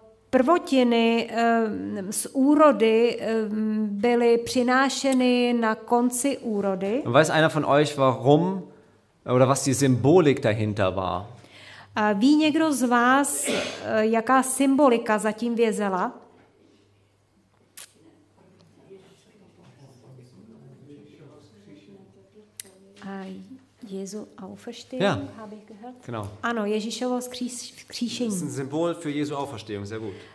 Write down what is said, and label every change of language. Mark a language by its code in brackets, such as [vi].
[cs] Prvotiny z úrody byly přinášeny na konci úrody. [de] Und weiß einer von euch, warum oder was die Symbolik dahinter war? [cs] Ví někdo z vás, jaká symbolika zatím vězela? [de] Jesu Auferstehung, ja, habe ich gehört. Genau. [cs] Ano, Ježíšovo vzkříšení. [de] Das ist ein Symbol für Jesu Auferstehung, sehr gut.